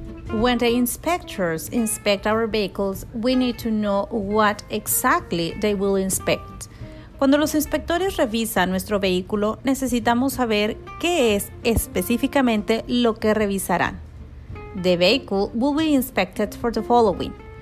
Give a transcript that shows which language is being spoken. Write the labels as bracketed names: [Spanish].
[English] When the inspectors inspect our vehicles, we need to know what exactly they will inspect. [Spanish] Cuando los inspectores revisan nuestro vehículo, necesitamos saber qué es específicamente lo que revisarán. [English] The vehicle will be inspected for the following.